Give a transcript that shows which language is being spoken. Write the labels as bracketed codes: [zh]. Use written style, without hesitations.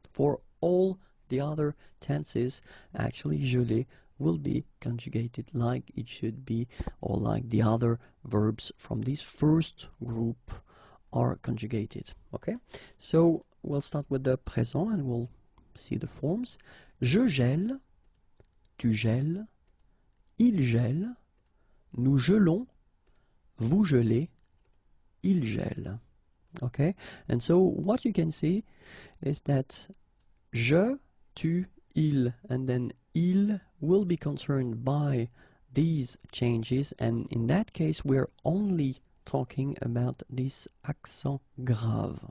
[en] For all the other tenses, actually, je l'ai will be conjugated like it should be, or like the other verbs from this first group are conjugated. Okay, so we'll start with the present and we'll see the forms. [fr] Je gèle, tu gèles, il gèle, nous gelons, vous gelez, il gèle. [en] Okay, and so what you can see is that je, tu, il, and then il will be concerned by these changes, and in that case we're only talking about this accent grave.